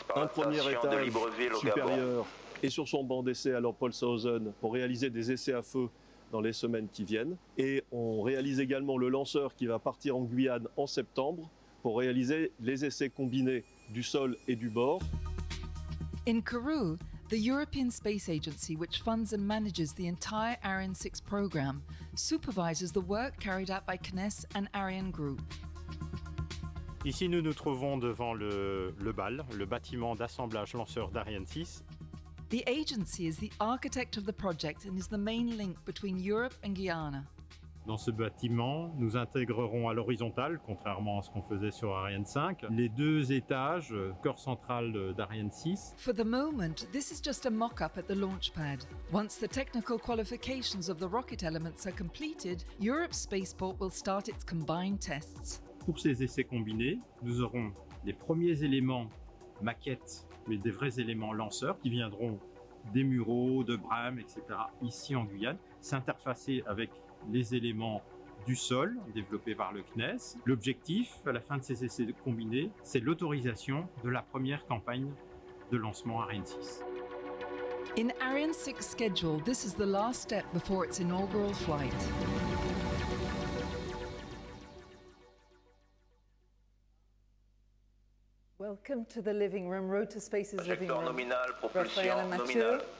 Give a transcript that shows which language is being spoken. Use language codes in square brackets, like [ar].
[fr] Un premier étage supérieur et sur son banc d'essai à l'Empolshausen pour réaliser des essais à feu dans les semaines qui viennent. Et on réalise également le lanceur qui va partir en Guyane en septembre pour réaliser les essais combinés du sol et du bord. [en] In Kourou, The European Space Agency, which funds and manages the entire Ariane 6 program, supervises the work carried out by CNES and Ariane Group. [fr] Ici, nous nous trouvons devant le BAL, le bâtiment d'assemblage lanceur d'Ariane 6. [en] The agency is the architect of the project and is the main link between Europe and Guiana. [fr] Dans ce bâtiment, nous intégrerons à l'horizontale, contrairement à ce qu'on faisait sur Ariane 5, les deux étages, cœur central d'Ariane 6. [en] For the moment, this is just a mock-up at the launch pad. Once the technical qualifications of the rocket elements are completed, Europe's spaceport will start its combined tests. [fr] Pour ces essais combinés, nous aurons les premiers éléments maquettes, mais des vrais éléments lanceurs qui viendront des mureaux, de brames, etc. ici en Guyane, s'interfacer avec les éléments du sol développés par le CNES. L'objectif, à la fin de ces essais combinés, c'est l'autorisation de la première campagne de lancement Ariane 6. [en] In Ariane 6 schedule, this is the last step before its inaugural flight. Welcome to the living room, Road to Space's living room. Nominal, propulsion nominal.